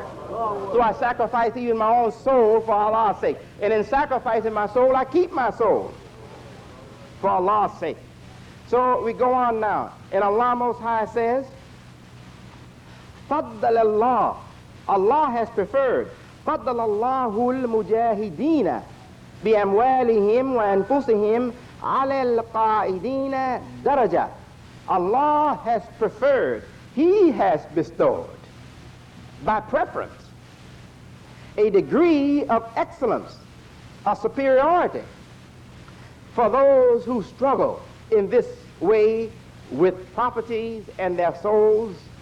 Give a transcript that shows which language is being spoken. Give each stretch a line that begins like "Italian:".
English: So I sacrifice even my own soul for Allah's sake. And in sacrificing my soul, I keep my soul for Allah's sake. So we go on now. And Allah Most High says,
Arabic: فضل الله.
English: Allah has preferred.
Arabic: فضل الله المجاهدين بأموالهم وأنفسهم على القائدين درجة.
English: Allah has preferred. He has bestowed, by preference, a degree of excellence, a superiority, for those who struggle in this way with properties and their souls.